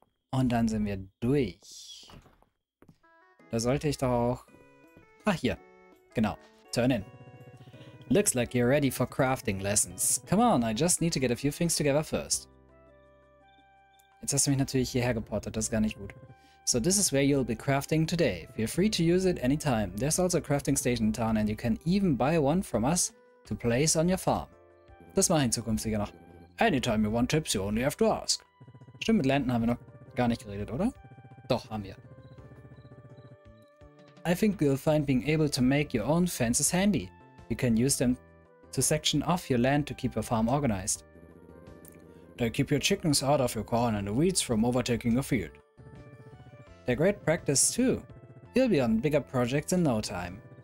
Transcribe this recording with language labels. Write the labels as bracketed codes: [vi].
[de] Und dann sind wir durch. Da sollte ich doch auch... Ah, hier. Genau. Turn in. [en] Looks like you're ready for crafting lessons. Come on, I just need to get a few things together first. [de] Jetzt hast du mich natürlich hierher geportet. Das ist gar nicht gut. [en] So, this is where you'll be crafting today. Feel free to use it anytime. There's also a crafting station in town and you can even buy one from us to place on your farm. [de] Das mache ich in Zukunft sicher noch. [en] Anytime you want tips, you only have to ask. [de] Stimmt, mit Landon haben wir noch gar nicht geredet, oder? Doch, haben wir. [en] I think you'll find being able to make your own fences handy. You can use them to section off your land to keep your farm organized. They keep your chickens out of your corn and the weeds from overtaking your field. They're great practice too. You'll be on bigger projects in no time.